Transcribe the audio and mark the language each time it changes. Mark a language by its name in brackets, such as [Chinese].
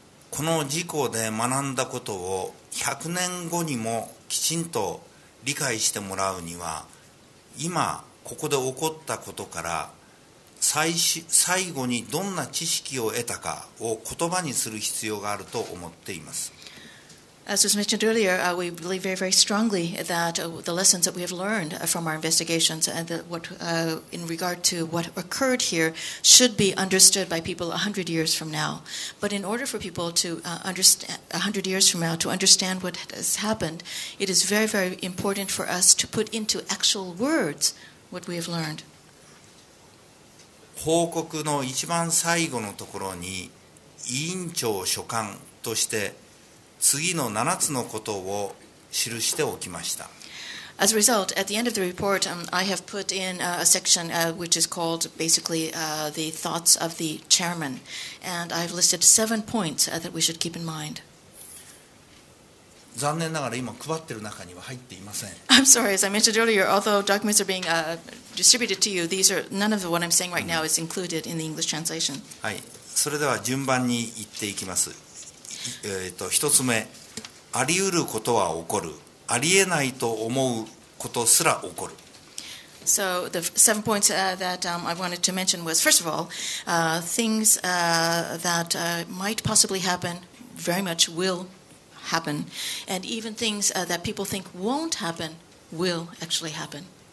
[Japanese] この事故で学んだことを100年後にもきちんと理解してもらうには、今、ここで起こったことから最後にどんな知識を得たかを言葉にする必要があると思っています。 [English] As was mentioned earlier, we believe very, very strongly that the lessons that we have learned from our investigations and in regard to what occurred here should be understood by people 100 years from now. But in order for people to understand 100 years from now to understand what has happened, it is very, very important for us to put into actual words. What we have learned. [Japanese] 報告の一番最後のところに委員長所管として次の7つのことを記しておきました。 [English] As a result, at the end of the report, I have put in a section which is called basically the thoughts of the chairman, and I've listed 7 points that we should keep in mind. [Japanese] 残念ながら今配っている中には入っていません。 [English] I'm sorry, as I mentioned earlier, although documents are being distributed to you, these are none of the one I'm saying right now is included in the English translation. [Japanese] はい、それでは順番に言っていきます。一つ目、あり得ることは起こる、ありえないと思うことすら起こる。 [English] So the 7 points that I wanted to mention was, first of all, things that might possibly happen very much will. Happen, and even things that people think won't happen will actually happen.